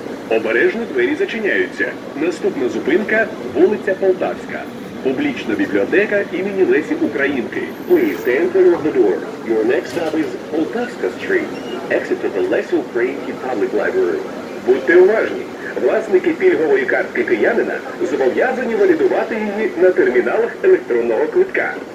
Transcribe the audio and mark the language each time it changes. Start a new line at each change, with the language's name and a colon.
Ukrainian: Обережно, двері зачиняються. Наступна зупинка – вулиця Полтавська. Публічна бібліотека імені Лесі Українки.
English: Please enter the door. Your next stop is Полтавська Street. Exit to the Lesi Ukrainki Public Library.
Ukrainian: Будьте уважні! Власники пільгової картки киянина зобов'язані валідувати її на терміналах електронного квитка.